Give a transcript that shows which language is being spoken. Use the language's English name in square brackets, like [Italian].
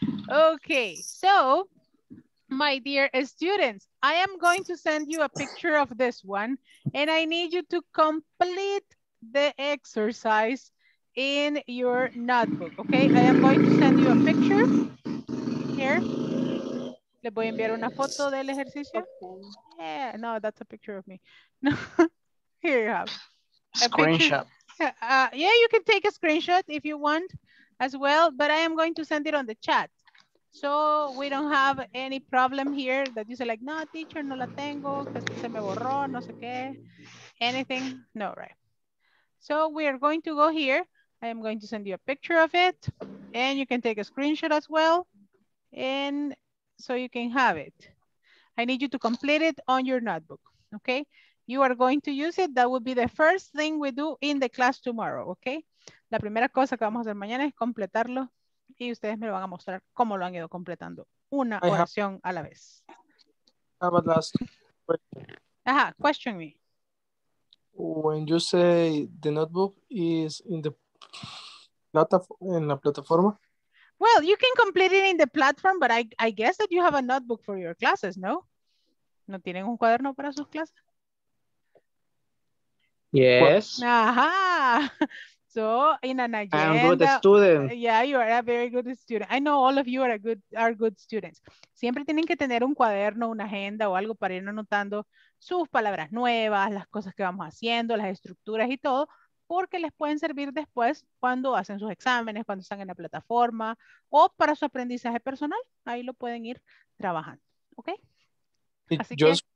[English] Okay, so my dear students, I am going to send you a picture of this one, and I need you to complete the exercise in your notebook. Okay, I am going to send you a picture here. [Spanish] Le voy a enviar una foto del ejercicio. [English] Yeah, no, that's a picture of me. No, here you have a screenshot. Yeah, you can take a screenshot if you want as well, but I am going to send it on the chat. So we don't have any problem here that you say like, no, teacher, [Spanish] no la tengo, que se me borró, no sé qué, [English] anything. No, right. So we are going to go here. I am going to send you a picture of it and you can take a screenshot as well. And so you can have it. I need you to complete it on your notebook, okay? You are going to use it. That will be the first thing we do in the class tomorrow, okay? [Spanish] La primera cosa que vamos a hacer mañana es completarlo. Y ustedes me lo van a mostrar cómo lo han ido completando. Una oración a la vez. [English] Have a last question. Ajá, question me. When you say the notebook is in the platform, [Spanish] en la plataforma. [English] Well, you can complete it in the platform, but I guess that you have a notebook for your classes, no? [Spanish] ¿No tienen un cuaderno para sus clases? [English] Yes. Ajá. So in an agenda. I'm a good student. Yeah, you are a very good student. I know all of you are good students. [Spanish] Siempre tienen que tener un cuaderno, una agenda o algo para ir anotando sus palabras nuevas, las cosas que vamos haciendo, las estructuras y todo, porque les pueden servir después cuando hacen sus exámenes, cuando están en la plataforma o para su aprendizaje personal. Ahí lo pueden ir trabajando. ¿Ok? Así que,